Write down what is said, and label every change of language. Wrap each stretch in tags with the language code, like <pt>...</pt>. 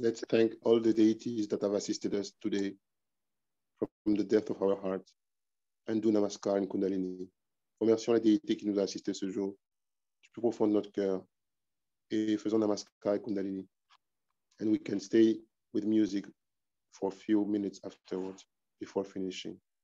<en>Thank all the deities that have assisted us today from the depth of our heart. And do namaskar and kundalini.</en> <fr>Remercions les déités qui nous ont assistés ce jour du plus profond de notre cœur. Et faisons namaskar et kundalini.</fr> <en>And we can stay with music for a few minutes afterwards before finishing.</en>